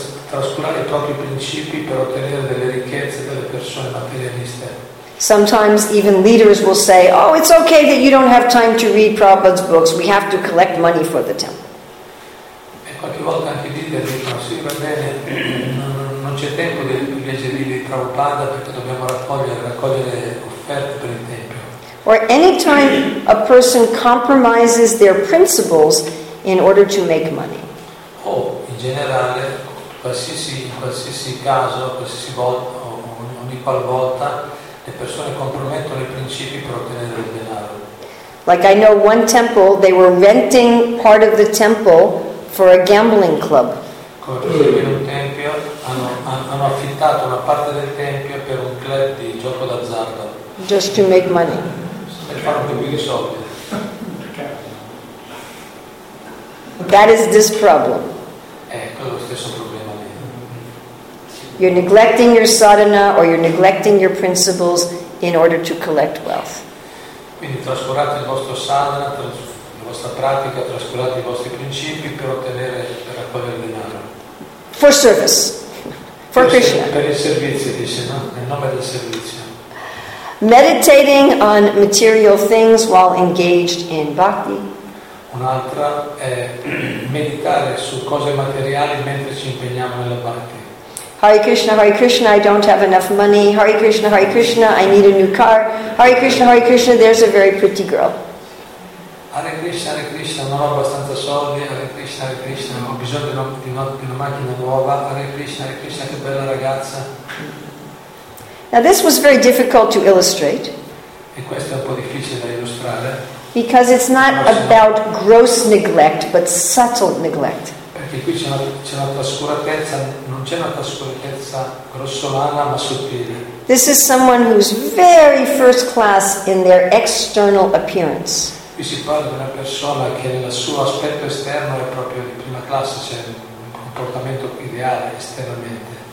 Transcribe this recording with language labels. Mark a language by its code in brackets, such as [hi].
[it] Trascurare i propri principi per ottenere delle ricchezze dalle persone materialiste. [en] Sometimes even leaders will say, oh, it's okay that you don't have time to read Prabhupada's books. We have to collect money for the temple. [it] E qualche volta anche i leader dicono, sì, va bene, non c'è tempo di leggere i libri di Prabhupada perché dobbiamo raccogliere offerte per il tempio. [en] Or any time a person compromises their principles in order to make money. [it] Oh, in generale, qualsiasi caso, qualsiasi volta, ogni qual volta, le persone compromettono i principi per ottenere il denaro. [en] Like I know one temple, they were renting part of the temple for a gambling club. [it] In un tempio hanno affittato una parte del tempio per un club di gioco d'azzardo. [en] Just to make money. [it] Per fare un po' di soldi. [en] That is this problem. [it] Ecco lo stesso problema. [en] You're neglecting your sadhana, or you're neglecting your principles in order to collect wealth. [it] Quindi trascurate il vostro sadhana, la vostra pratica, trascurate i vostri principi per raccogliere denaro. [en] For service, for Krishna. [it] Per il servizio, dice, no? Nel nome del servizio. [en] Meditating on material things while engaged in bhakti. [it] Un'altra è meditare su cose materiali mentre ci impegniamo nella bhakti. [en] Hare Krishna, I don't have enough money. Hare Krishna, I need a new car. Hare Krishna, there's a very pretty girl. [it] Hare Krishna, non ho abbastanza soldi. Hare Krishna, ho bisogno di una macchina nuova. Hare Krishna, che bella ragazza. [en] Now this was very difficult to illustrate. [it] E questo è un po' difficile da illustrare. [en] Because it's not about gross neglect, but subtle neglect. [it] Perché qui c'è una trascuratezza. Non c'è una trascuratezza grossolana ma sottile. [en] This is someone who's very first class in their external appearance. [it] Qui si parla di una persona che nel suo aspetto esterno è proprio di prima classe, cioè un comportamento ideale esternamente.